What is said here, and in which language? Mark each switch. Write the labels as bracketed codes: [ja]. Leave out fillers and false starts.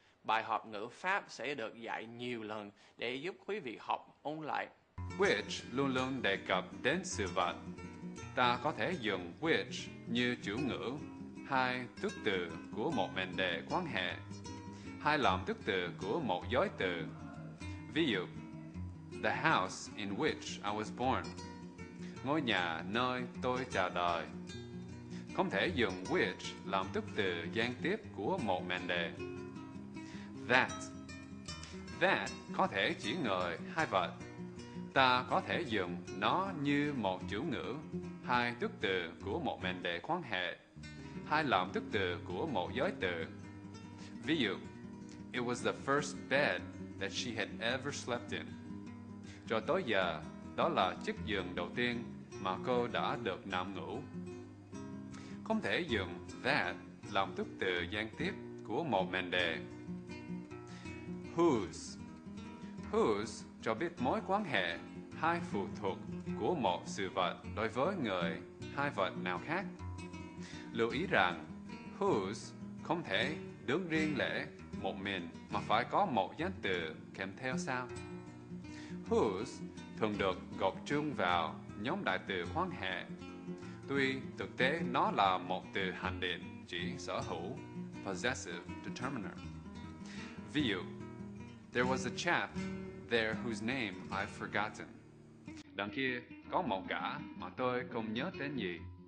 [vi] Bài học ngữ Pháp sẽ được dạy nhiều lần để giúp quý vị học ôn lại. Which luôn luôn đề cập đến sự vật. Ta có thể dùng which như chủ ngữ, hay thức từ của một mệnh đề quan hệ, hay làm thức từ của một giới từ. Ví dụ, [en] the house in which I was born. [vi] Ngôi nhà nơi tôi chào đời. Không thể dùng which làm thức từ gián tiếp của một mệnh đề. That. That có thể chỉ người hay vật. Ta có thể dùng nó như một chủ ngữ, hay thức từ của một mệnh đề quan hệ, hay làm thức từ của một giới từ. Ví dụ, [en] it was the first bed that she had ever slept in. [vi] Cho tới giờ, đó là chiếc giường đầu tiên mà cô đã được nằm ngủ. Không thể dùng that làm thức từ gián tiếp của một mệnh đề. Whose. Whose cho biết mối quan hệ hay phụ thuộc của một sự vật đối với người hay vật nào khác. Lưu ý rằng, whose không thể đứng riêng lẻ một mình mà phải có một danh từ kèm theo sau. Whose thường được gộp chung vào nhóm đại từ quan hệ, tuy thực tế nó là một từ hạn định chỉ sở hữu, possessive determiner. Ví dụ, [en] there was a chap there whose name I've forgotten. [vi] Đằng kia có một gã mà tôi không nhớ tên gì.